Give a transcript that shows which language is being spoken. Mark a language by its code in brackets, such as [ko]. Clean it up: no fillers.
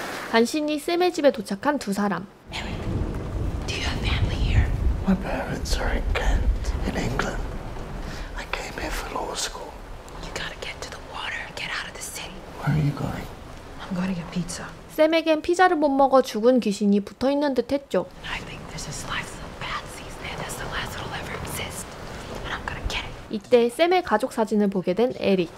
[ko] 단신이 샘의 집에 도착한 두 사람. [en] My parents are in Kent, in England. I came here for law school. You gotta get to the water, get out of the city. Where are you going? I'm going to get pizza. [ko] 샘에겐 피자를 못 먹어 죽은 귀신이 붙어 있는 듯했죠. [en] I think there's a slice of bad seeds there. That's the last that'll ever exist. And I'm gonna get it. [ko] 이때 샘의 가족 사진을 보게 된 에리.